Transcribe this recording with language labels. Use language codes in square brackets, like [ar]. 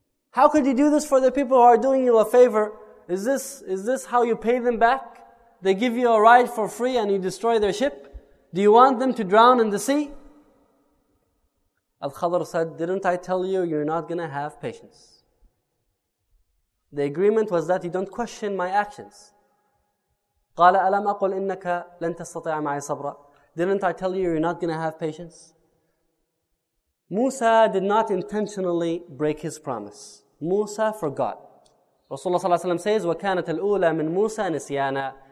[en] How could you do this for the people who are doing you a favor? Is this how you pay them back? They give you a ride for free and you destroy their ship? Do you want them to drown in the sea? Al-Khadr said, "Didn't I tell you you're not going to have patience?" The agreement was that you don't question my actions. [ar] قال ألم أقول إنك لن تستطيع معي صبرا. [en] Didn't I tell you you're not going to have patience? Musa did not intentionally break his promise. Musa forgot. Rasulullah ﷺ says, [ar] وكانت الأولى من موسى نسيانا.